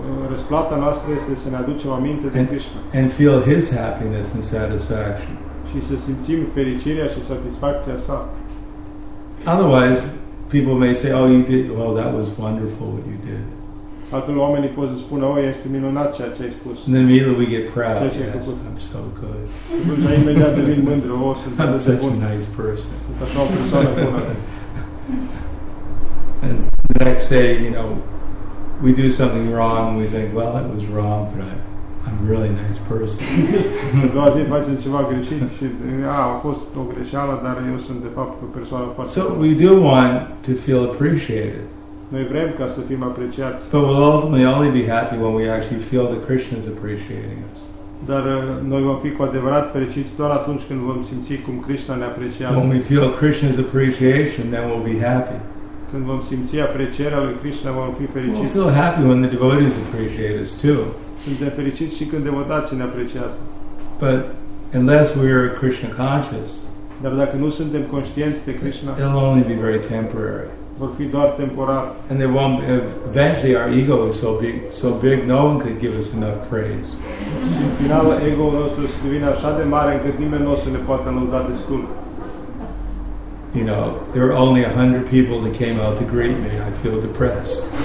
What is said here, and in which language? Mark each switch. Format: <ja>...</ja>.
<ro>Răsplata noastră este să ne aducem aminte de Krishna.</ro> <en>And feel his happiness and satisfaction.</en> <ro>Și să simțim fericirea și satisfacția sa.</ro> <en>Otherwise, people may say, oh, you did, well, that was wonderful what you did.</en> <ro>Atunci oamenii pot să spună, oh, este minunat ceea ce ai spus.</ro> <en>And immediately we get proud, yes, I'm so good.</en> <ro>Și imediat devin mândru, oh, sunt</ro> <en>I'm such a nice person.</en> <ro>Sunt așa o persoană bună.</ro> <en>And the next day, you know, we do something wrong, we think, well, it was wrong, but I'm a really nice person.</en> <ro>A doua zi facem ceva greșit și, a fost o greșeală, dar eu sunt, de fapt, o persoană foarte bună.</ro> <en>So we do want to feel appreciated.</en> <ro>Noi vrem ca să fim apreciați.</ro> <en>But we'll ultimately only be happy when we actually feel that Krishna is appreciating us.</en> <ro>Dar noi vom fi cu adevărat fericiți doar atunci când vom simți cum Krishna ne apreciază.</ro> <en>When we feel Krishna's appreciation, then we'll be happy.</en> <ro>Când vom simți aprecierea lui Krishna, vom fi fericiți.</ro> <en>We'll feel happy when the devotees appreciate us too.</en> <ro>Suntem fericiți și când devotații ne apreciază.</ro> <en>But unless we are Krishna conscious,</en> <ro>dar dacă nu suntem conștienți de Krishna,</ro> <en>it'll only be very temporary.</en> <ro>Vor fi doar temporar.</ro> <en>And there won't be, eventually our ego is so big no one could give us enough praise.</en> <ro>Și în final ego-ul nostru se devine așa de mare încât nimeni nu o să ne poată lăuda destul.</ro> <en>You know, there are only 100 people that came out to greet me. I feel depressed.</en>